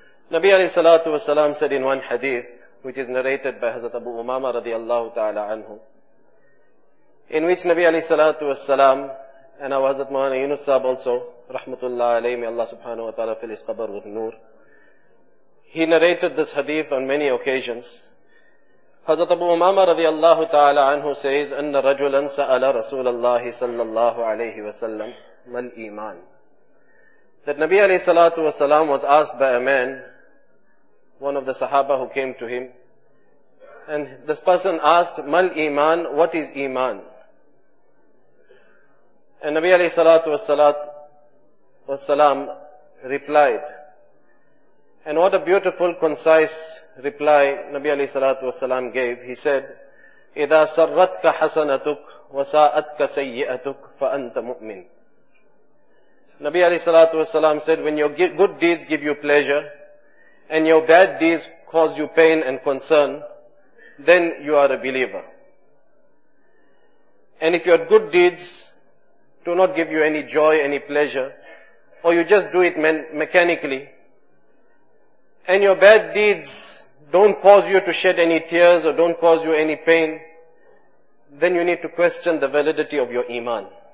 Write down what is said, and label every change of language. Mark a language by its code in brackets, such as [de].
[en] Nabi alayhi salatu wasalam said in one hadith, which is narrated by Hazrat Abu Umama radiallahu ta'ala anhu, in which Nabi alayhi salatu wasalam and our Hazrat Mawlana Yunus Sahib also, rahmatullah alayhi, may Allah subhanahu wa ta'ala fill his qabr with nur, he narrated this hadith on many occasions. Hazrat Abu Umama radiallahu ta'ala anhu says, [ar] أن رجلا سأل رسول الله صلى الله عليه وسلم ما الإيمان. [en] That Nabi alayhi salatu wasalam was asked by a man, one of the Sahaba who came to him, and this person asked, Mal Iman, what is Iman? And Nabi alayhi salatu wasalam replied, and what a beautiful, concise reply Nabi alayhi salatu wasalam gave. He said, [ar] إِذَا سَرَّتْكَ حَسَنَتُكْ وَسَاءَتْكَ سَيِّئَتُكْ فَأَنْتَ مُؤْمِنٍ. [en] Nabi alayhi salatu wasalam said, when your good deeds give you pleasure and your bad deeds cause you pain and concern, then you are a believer. And if your good deeds do not give you any joy, any pleasure, or you just do it mechanically, and your bad deeds don't cause you to shed any tears or don't cause you any pain, then you need to question the validity of your iman.